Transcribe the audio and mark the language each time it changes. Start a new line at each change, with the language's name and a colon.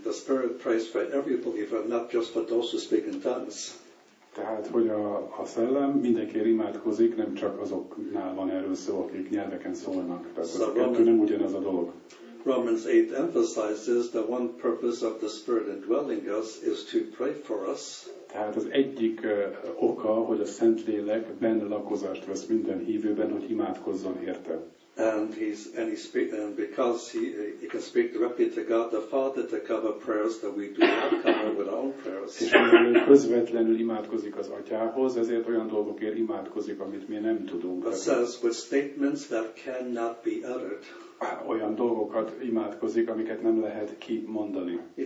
English: The Spirit prays for every believer, not just for those who speak in tongues.
Hungarian: Tehát, hogy a szellem mindenkiért imádkozik, nem csak azoknál van erről szó, akik nyelveken szólnak. Tehát a kettő nem ugyanaz a dolog.
English: Romans 8 emphasizes that one purpose of the Spirit indwelling us is to pray for us.
Hungarian: Tehát az egyik oka, hogy a Szentlélek benne lakozást vesz minden hívőben, hogy imádkozzon érte.
English: And because he can speak directly to God the Father to cover prayers that we do not cover with our own prayers.
Hungarian: És mivel közvetlenül imádkozik az Atyához, ezért olyan dolgokért imádkozik, amit mi nem tudunk.
English: But says with statements that cannot be uttered.
Hungarian: Olyan dolgokat imádkozik, amiket nem lehet kimondani.